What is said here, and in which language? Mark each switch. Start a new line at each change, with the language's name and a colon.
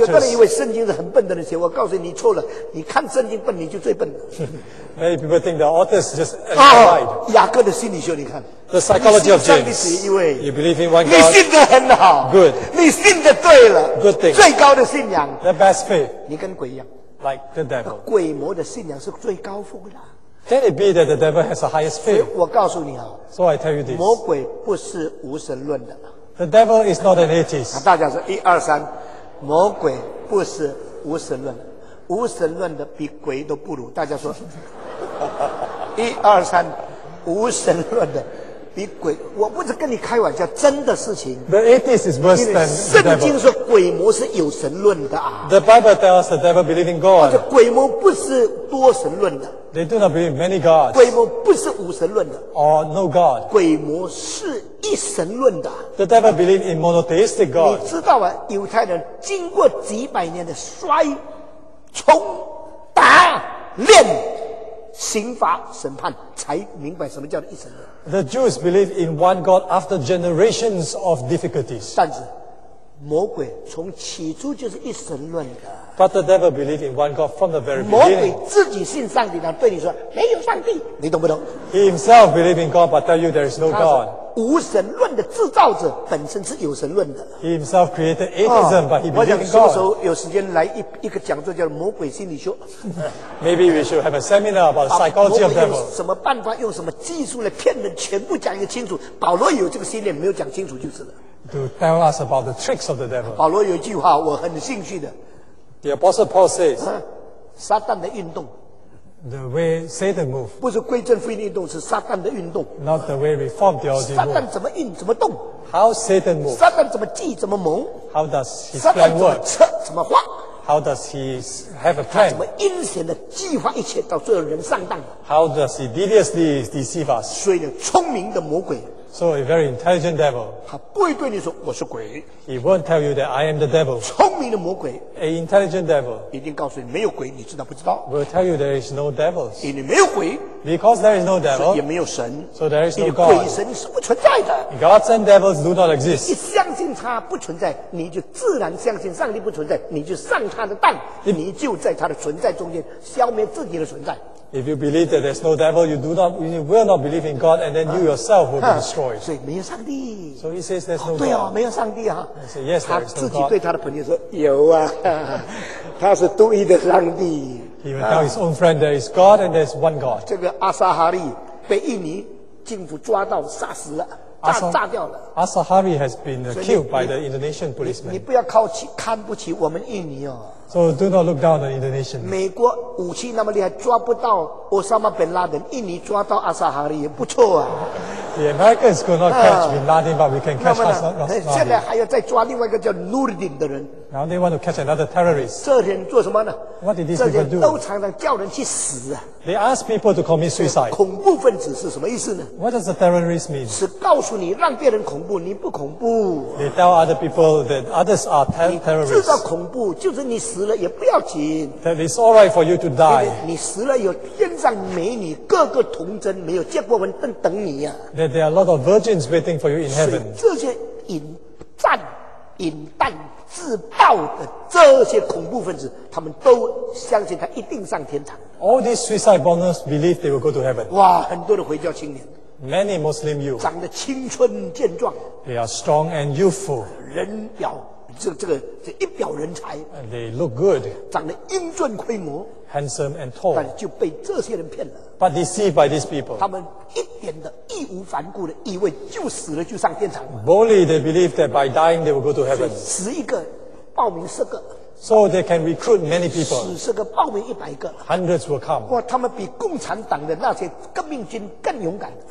Chinese: 有的人以为圣经是很笨的人写，我告诉你错了。你看圣经笨，你就最笨了。
English: Many people think the authors just lied.
Chinese: 雅各的心理学，你看。
English: The psychology of James.
Chinese: 你信上帝只一位。
English: You believe in one God.
Chinese: 你信得很好。
English: Good.
Chinese: 你信得对了。
English: Good thing.
Chinese: 最高的信仰。
English: The best faith.
Chinese: 你跟鬼一样。
English: Like the devil.
Chinese: 鬼魔的信仰是最高峰的。
English: Can it be that the devil has the highest faith?
Chinese: 我告诉你啊。
English: So I tell you this.
Chinese: 魔鬼不是无神论的。
English: The devil is not an atheist.
Chinese: 大家说一二三，魔鬼不是无神论的，无神论的比鬼都不如。大家说，一二三，无神论的。比鬼，我不是跟你开玩笑，真的事情。
English: The atheist is worse than the devil.
Chinese: 圣经说鬼魔是有神论的啊。
English: The Bible tells us the devil believes in God.
Chinese: 而且鬼魔不是多神论的。
English: They do not believe many gods.
Chinese: 鬼魔不是无神论的。
English: Or no God.
Chinese: 鬼魔是一神论的。
English: The devil believes in monotheistic God.
Chinese: 你知道啊，犹太人经过几百年的摔、冲、打、练、刑罚、审判，才明白什么叫做一神论。
English: The Jews believe in one God after generations of difficulties.
Chinese: 但是，魔鬼从起初就是一神论的。
English: But the devil believed in one God from the very beginning.
Chinese: 魔鬼自己信上帝，然后对你说没有上帝，你懂不懂
English: ？He himself believed in God, but tell you there is no God.
Chinese: 无神论的制造者本身是有神论的。
English: He himself created atheism, but he believed in God.
Chinese: 我想什么时候有时间来一个讲座叫魔鬼心理学。
English: Maybe we should have a seminar about psychology of devil.
Chinese: 魔鬼用什么办法，用什么技术来骗人，全部讲一个清楚。保罗有这个信念，没有讲清楚就是了。
English: To tell us about the tricks of the devil.
Chinese: 保罗有一句话我很兴趣的。
English: The Apostle Paul says,
Chinese: 撒旦的运动
English: the way Satan moves,
Chinese: 不是归正福音运动，是撒旦的运动
English: not the way Reform theology moves,
Chinese: 撒旦怎么运怎么动
English: how Satan moves,
Chinese: 撒旦怎么计怎么谋
English: how does his plan work,
Chinese: 撒旦怎么策怎么划
English: how does he have a plan,
Chinese: 怎么阴险的计划一切，到最后人上当
English: how does he deviously deceive us,
Chinese: 所以聪明的魔鬼
English: So a very intelligent devil.
Chinese: 他不会对你说我是鬼。
English: He won't tell you that I am the devil.
Chinese: 聪明的魔鬼。
English: A intelligent devil.
Chinese: 一定告诉你没有鬼，你知道不知道
English: ？Will tell you there is no devils.
Chinese: 因为没有鬼。
English: Because there is no devil.
Chinese: 也没有神。
English: So there is no God.
Chinese: 鬼神是不存在的。
English: Gods and devils do not exist.
Chinese: 你相信他不存在，你就自然相信上帝不存在，你就上他的当，你就在他的存在中间消灭自己的存在。
English: If you believe that there's no devil, you do not, you will not believe in God, and then you yourself will be destroyed.
Chinese: 所以没有上帝。
English: So he says there's no God.
Chinese: 对啊，没有上帝啊。
English: He says yes, there is no God.
Chinese: 他自己对他的朋友说有啊，他是独一的上帝。
English: He will tell his own friend there is God and there's one God.
Chinese: 这个阿萨哈利被印尼政府抓到杀死了。炸掉了。
English: Asahari has been killed by the Indonesian policeman.
Chinese: 你不要靠起看不起我们印尼哦。
English: So do not look down on Indonesians.
Chinese: 美国武器那么厉害，抓不到 Osama bin Laden， 印尼抓到 Asahari 也不错啊。
English: The Americans could not catch bin Laden, but we can catch Osama bin Laden.
Chinese: 现在还要再抓另外一个叫 Nuruddin 的人。
English: Now they want to catch another terrorist.
Chinese: 这人做什么呢
English: ？What did these people do？
Chinese: 都常常叫人去死啊。
English: They ask people to commit suicide.
Chinese: 恐怖分子是什么意思呢
English: ？What does the terrorist mean？
Chinese: 是告诉你让别人恐怖，你不恐怖。
English: They tell other people that others are terrorists.
Chinese: 你制造恐怖，就是你死了也不要紧。
English: That it's all right for you to die.
Chinese: 你死了有天上美女个个童真，没有见过文正等你啊。
English: That there are a lot of virgins waiting for you in heaven.
Chinese: 这些引战、引弹、自爆的这些恐怖分子，他们都相信他一定上天堂。
English: All these suicide bombers believe they will go to heaven.
Chinese: 哇，很多的回教青年。
English: Many Muslim youth
Chinese: 长得青春健壮
English: ，They are strong and youthful.
Chinese: 人表这一表人才
English: ，And they look good.
Chinese: 长得英俊魁梧
English: ，Handsome and tall.
Chinese: 但是就被这些人骗了
English: ，But deceived by these people.
Chinese: 他们一点的义无反顾的以为就死了就上天堂了。
English: Boldly they believe that by dying they will go to heaven.
Chinese: 死一个，报名十个。
English: So they can recruit many people.
Chinese: 10个报名100个。
English: Hundreds will come.
Chinese: 哇，他们比共产党的那些革命军更勇敢。